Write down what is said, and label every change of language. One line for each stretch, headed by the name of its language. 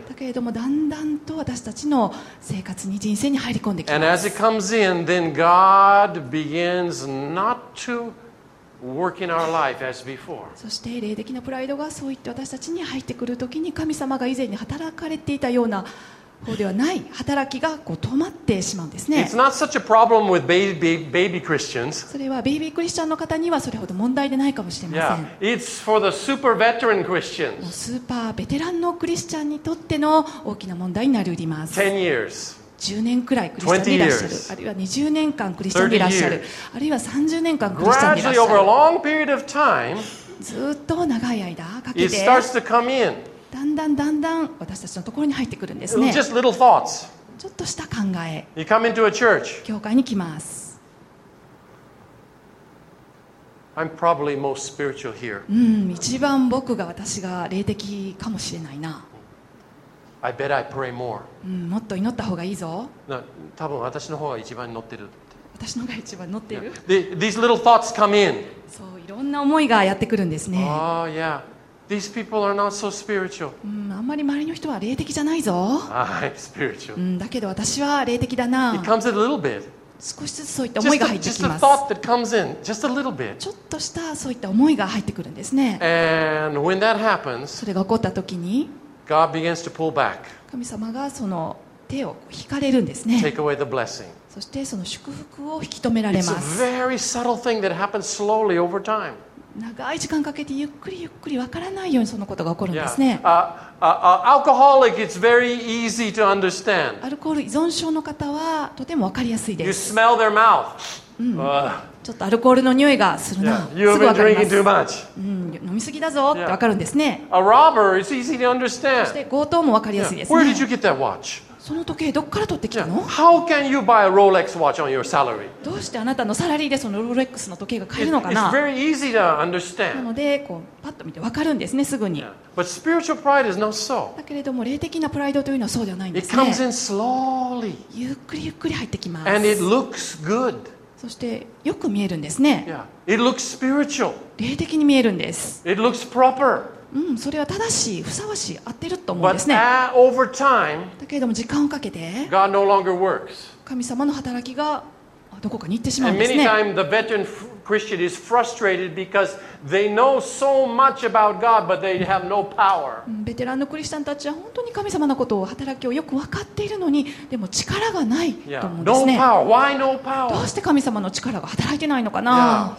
Japanese: だけれどもだんだんと私たちの生活に人生に入り込んできます。
English: And as it comes in, then God begins not to work in our life as before.
Japanese: そして霊的なプライドがそういって私たちに入ってくるときに神様が以前に働かれていたようなそうではない働きがこう止まってしまうんですね。
English: It's not such a problem with baby Christians.
Japanese: それはベイビークリスチャンの方にはそれほど問題でないかもしれません。
English: Yeah. It's for the super veteran Christians.
Japanese: もうスーパーベテランのクリスチャンにとっての大きな問題になり得ます。
English: 10 years.
Japanese: 10年くらいクリスチャンにいらっしゃる。あるいは20年間クリスチャンにいらっしゃる。あるいは30年間クリスチャンにいらっしゃる。
English: Gradually over a long period of time.
Japanese: ずっと長い間かけて。
English: It starts to come in.
Japanese: だんだんだんだん私たちのところに入ってくるんですね。
English: Just little thoughts.
Japanese: ちょっとした考え。
English: You come into a church.
Japanese: 教会に来ます。
English: I'm probably most spiritual here.
Japanese: 一番僕が私が霊的かもしれないな。
English: I bet I pray more.
Japanese: もっと祈った方がいいぞ。多分私の方が一番乗ってる。私のが一番乗ってる。
English: Yeah. These little thoughts come in.
Japanese: そう、いろんな思いがやってくるんですね。
English: Oh, yeah. These people are not so spiritual.
Japanese: あんまり周りの人は霊的じゃないぞ。
English: I'm spiritual.
Japanese: だけど私は霊的だな。
English: It comes in a little bit.
Japanese: 少しずつそういった思いが入ってきます。
English: Just a thought that comes in, just a little bit.
Japanese: ちょっとしたそういった思いが入ってくるんですね。
English: And when that happens,
Japanese: それが起こった時に、
English: God begins to pull back.
Japanese: 神様がその手を引かれるんですね。
English: Take away the blessing.
Japanese: そしてその祝福を引き止められます。
English: It's a very subtle thing that happens slowly over time.
Japanese: 長い時間かけてゆっくりゆっくり分からないようにそのことが起こるんですね。
English: Alcoholic, it's very easy to understand.
Japanese: アルコール依存症の方はとても分かりやすいです。
English: You smell their mouth.
Japanese: ちょっとアルコールの匂いがするな。
English: Yeah. You've been drinking too much.
Japanese: 飲みすぎだぞって分かるんですね。
English: A robber, it's easy to understand.
Japanese: そして強盗も分かりやすいですね。
English: Where did you get that watch?
Japanese: その時計どこから取ってきたの？
English: Yeah. How can you buy a Rolex watch on your salary?
Japanese: どうしてあなたのサラリーでそのロレックスの時計が買えるのかな？
English: It's very easy to understand.
Japanese: なのでこうパッと見てわかるんですね、すぐに。
English: Yeah. But spiritual pride is not so.
Japanese: だけれども霊的なプライドというのはそうではないんですね。
English: It comes in slowly.
Japanese: ゆっくりゆっくり入ってきます。
English: And it looks good.
Japanese: そしてよく見えるんですね。
English: Yeah. It looks spiritual.
Japanese: 霊的に見えるんです。
English: It looks proper.
Japanese: それは正しい、ふさわしい、合ってると思うんですね。
English: But, over time,
Japanese: だけれども時間をかけて
English: God no longer works.
Japanese: 神様の働きがどこかに行ってしまうんですね。
English: And many times the veteran Christian is frustrated because they know so much about God, but they have no power.
Japanese: ベテランのクリスチャンたちは本当に神様のことを働きをよく分かっているのに、でも力がないと思うんですね。
English: No power. Why no power?
Japanese: どうして神様の力が働いてないのかな。